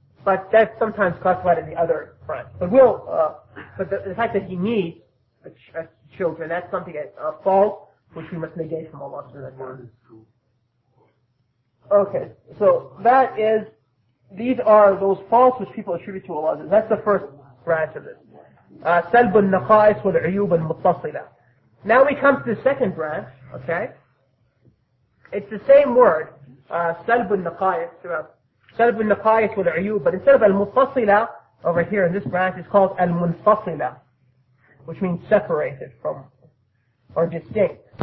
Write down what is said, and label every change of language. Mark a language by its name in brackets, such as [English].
[English] But that's sometimes classified in the other front. But the fact that he needs children, that's something that's false, which we must negate from Allah. So that's one. Okay, so that is, these are those faults which people attribute to Allah. That's the first branch of this. [Arabic] سلب النقائص والعيوب المتصلة. [English] Now we come to the second branch, okay? It's the same word, [Arabic] سلب النقائص, سلب النقائص والعيوب, [English] but instead of المتصلة, over here in this branch, it's called المنفصلة, which means separated from, or distinct.